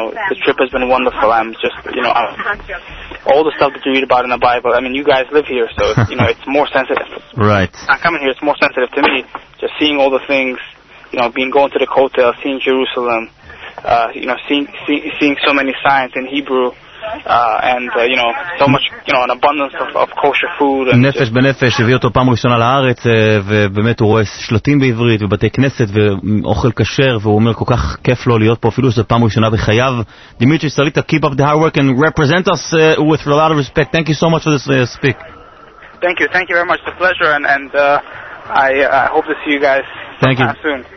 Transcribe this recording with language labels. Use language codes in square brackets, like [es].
[en] The trip has been wonderful. I'm just, you know, all the stuff that you read about in the Bible, I mean, you guys live here, so, you know, it's more sensitive. Right. I'm coming here, it's more sensitive to me, just seeing all the things, you know, going to the Kotel, seeing Jerusalem, seeing so many signs in Hebrew. An abundance of kosher food. [he] נפש בנפש הביא אותו פעם ראשונה לארץ, ובאמת הוא רואה שלטים בעברית ובתי כנסת ואוכל כשר, והוא אומר כל כך כיף לו להיות פה אפילו שזה פעם ראשונה בחייו. [en] Dmitry Salita, keep up the hard work and represent us with a lot of respect. Thank you so much for this speak. Thank you very much. It's a pleasure, and I hope to see you guys soon.